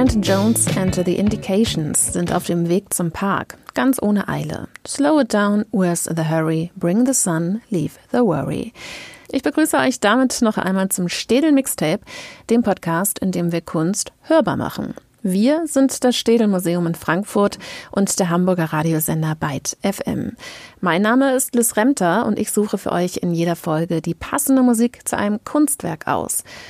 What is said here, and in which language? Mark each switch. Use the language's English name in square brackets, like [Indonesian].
[German] Jones and the Indications sind auf dem Weg zum Park, ganz ohne Eile. [English] Slow it down, where's the hurry? Bring the sun, leave the worry. [German] Ich begrüße euch damit noch einmal zum Städel Mixtape, dem Podcast, in dem wir Kunst hörbar machen. Wir sind das Städel Museum in Frankfurt und der Hamburger Radiosender Byte FM. Mein Name ist Liz Remter und ich suche für euch in jeder Folge die passende Musik zu einem Kunstwerk aus.